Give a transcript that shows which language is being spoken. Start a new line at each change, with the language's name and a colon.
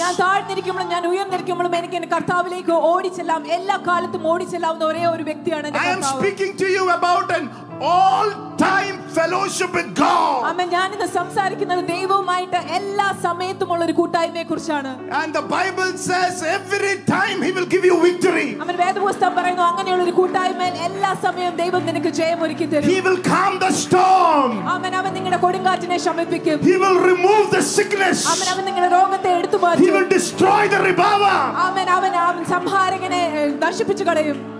Malayalam: Ya taarnirikkumbol ഞാൻ ഉയർന്നിരിക്കുമ്പോഴും എനിക്ക് എന്റെ കർത്താവിലേക്ക് ഓടിച്ചെല്ലാം, എല്ലാ കാലത്തും ഓടിച്ചെല്ലാവുന്ന ഒരേ ഒരു വ്യക്തിയാണ് എന്റെ കർത്താവ്.
English: I am speaking to you about an all time fellowship with God.
Malayalam: അമ്മേ ഞാൻ ഇന്ന് സംസാരിക്കുന്നത് ദൈവവുമായിട്ട് എല്ലാ സമയത്തുമുള്ള ഒരു കൂട്ടായ്മയെക്കുറിച്ചാണ്.
English: And the Bible says every time he will give you victory.
Malayalam: അമ്മേ വേദപുസ്തകം പറയുന്നു അങ്ങനെയുള്ള ഒരു കൂട്ടായ്മയിൽ എല്ലാ സമയവും ദൈവം നിനക്ക് ജയം ഒരുക്കി തരും.
English: He will calm the storm.
Malayalam: അമ്മേ അവൻ നിങ്ങളുടെ കൊടുങ്കാറ്റിനെ ശമിപ്പിക്കും.
English: He will remove the sickness.
Malayalam: അമ്മേ അവൻ നിങ്ങളുടെ രോഗത്തെ എടുത്തുമാറ്റും.
English: He will destroy the reviver.
Malayalam: അമ്മേ അവൻ സംഹാരകനെ നശിപ്പിച്ചു കളയും.